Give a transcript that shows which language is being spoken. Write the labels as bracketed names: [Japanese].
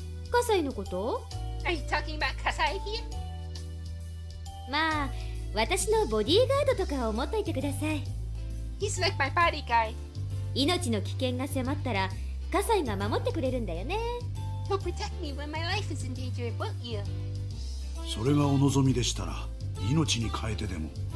[Japanese] カサイのこと? [English] Are you talking about Kasai here? [Japanese] まあ、私のボディーガードとかを持っといてください。 [English] He's like my bodyguard. [Japanese] 命の危険が迫ったら、カサイが守ってくれるんだよね。 [English] He'll protect me when my life is in danger, won't you? [Japanese] それがお望みでしたら、命に変えてでも。